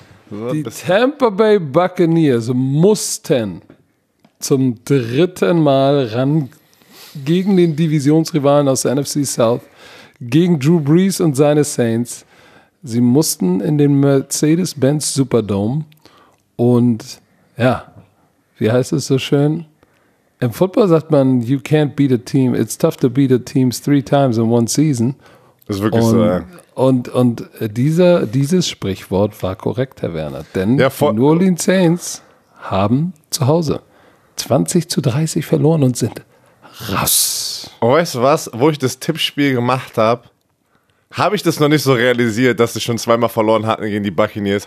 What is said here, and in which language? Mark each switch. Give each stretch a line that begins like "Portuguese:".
German: Die Tampa Bay Buccaneers mussten zum dritten Mal ran gegen den Divisionsrivalen aus der NFC South, gegen Drew Brees und seine Saints. Sie mussten in den Mercedes-Benz Superdome und ja, wie heißt es so schön? Im Football sagt man,
English: you can't beat a team, it's tough to beat a team 3 times in 1 season.
German: Das ist wirklich so. Und dieses Sprichwort war korrekt, Herr Werner. Denn ja, die New Orleans Saints haben zu Hause 20-30 verloren und sind raus. Oh, weißt du was? Wo ich das Tippspiel gemacht habe, habe ich das noch nicht so realisiert, dass sie schon 2 Mal verloren hatten gegen die Buccaneers.